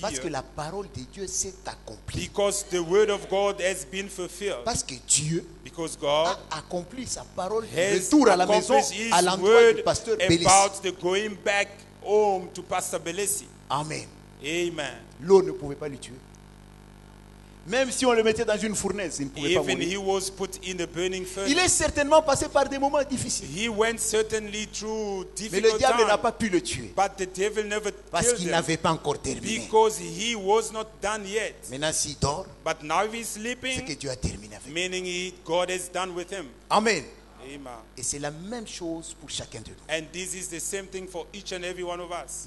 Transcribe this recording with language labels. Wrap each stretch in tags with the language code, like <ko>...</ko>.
<fr>Parce que la parole de Dieu s'est accomplie.</fr> <en>Because the word of God has been fulfilled.</en> <fr>Parce que Dieu</fr> <en>Because God</en> <fr>a accompli sa parole</fr> <en>has</en> <fr>retour à la maison</fr> <en>his</en> <fr>à l'endroit du pasteur Bélessi.</fr> <en>About the going back home to Pastor Bélessi.</en> <fr>Amen.</fr> <en>Amen.</en> <fr>L'eau ne pouvait pas le tuer. Même si on le mettait dans une fournaise, il ne pouvait</fr> <en>even</en> <fr>pas mourir.</fr> <en>He was put in the burning furnace.</en> <fr>Il est certainement passé par des moments difficiles.</fr> <en>He went certainly through difficult</en> <fr>mais le diable</fr> <en>time,</en> <fr>n'a pas pu le tuer.</fr> <en>But the devil never</en> <fr>parce qu'il n'avait pas encore terminé.</fr> <en>Because he was not done yet.</en> <fr>Maintenant, s'il dort,</fr> <en>but now if he's sleeping,</en> <fr>c'est que Dieu a terminé avec</fr> <en>meaning he, God has done with him.</en> <fr>Amen.</fr> <en>Amen.</en> <fr>Et c'est la même chose pour chacun de nous.</fr> <en>And this is the same thing for each and every one of us.</en>